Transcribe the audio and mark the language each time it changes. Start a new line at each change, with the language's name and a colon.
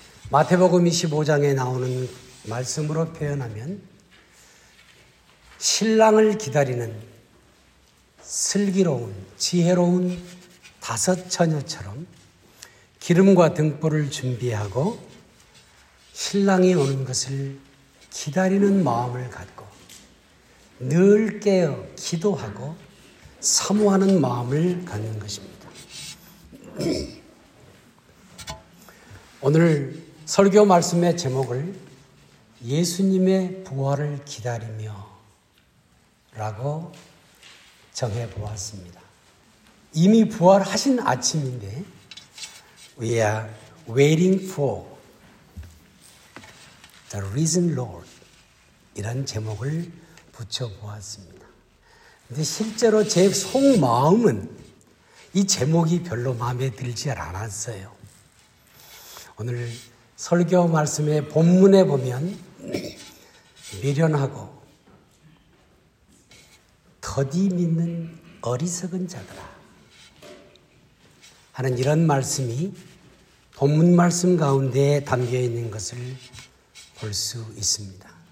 Korean: 마태복음 25장에 나오는 말씀으로 표현하면 신랑을 기다리는 슬기로운, 지혜로운 다섯 처녀처럼 기름과 등불을 준비하고 신랑이 오는 것을 기다리는 마음을 갖고 늘 깨어 기도하고 사모하는 마음을 갖는 것입니다. 오늘 설교 말씀의 제목을 예수님의 부활을 기다리며 라고 정해보았습니다. 이미 부활하신 아침인데
English: We are waiting for the risen Lord
Korean: 이런 제목을 붙여보았습니다. 근데 실제로 제 속마음은 이 제목이 별로 마음에 들지 않았어요. 오늘 설교 말씀의 본문에 보면 미련하고 더디 믿는 어리석은 자들아 하는 이런 말씀이 본문 말씀 가운데 담겨 있는 것을 볼 수 있습니다.